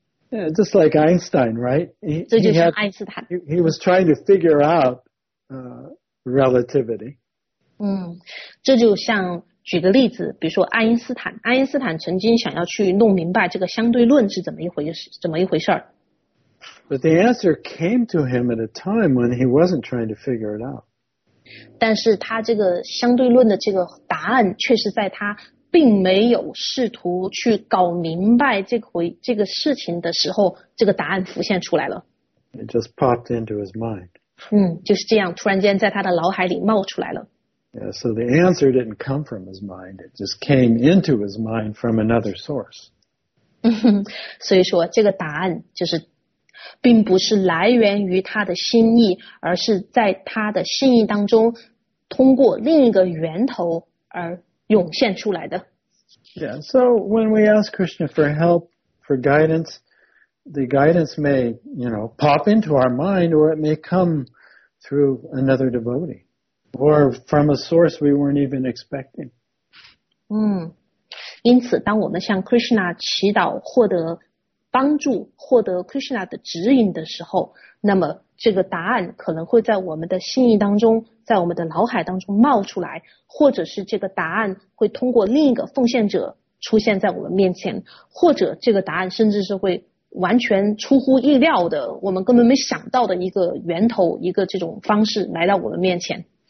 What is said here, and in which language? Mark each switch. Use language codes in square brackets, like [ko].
[en] Yeah, just like Einstein, right? He was trying to figure out relativity. [zh] 这就像举个例子，比如说爱因斯坦，爱因斯坦曾经想要去弄明白这个相对论是怎么一回事。 [en] But the answer came to him at a time when he wasn't trying to figure it out. [zh] 但是他这个相对论的这个答案却是在他并没有试图去搞明白这个事情的时候，这个答案浮现出来了。 [en] It just popped into his mind. [zh] 就是这样，突然间在他的脑海里冒出来了。 [en] Yeah, so the answer didn't come from his mind. It just came into his mind from another source. [zh] 所以说，这个答案就是并不是来源于他的心意，而是在他的心意当中通过另一个源头而涌现出来的。 [en] Yeah, so when we ask Krishna for help, for guidance, the guidance may, you know, pop into our mind, or it may come through another devotee, or from a source we weren't even expecting. [zh] 因此当我们向 Krishna 祈祷获得帮助，获得 Krishna 的指引的时候，那么这个答案可能会在我们的心意当中，在我们的脑海当中冒出来，或者是这个答案会通过另一个奉献者出现在我们面前，或者这个答案甚至是会完全出乎意料的，我们根本没想到的一个源头，一个这种方式来到我们面前。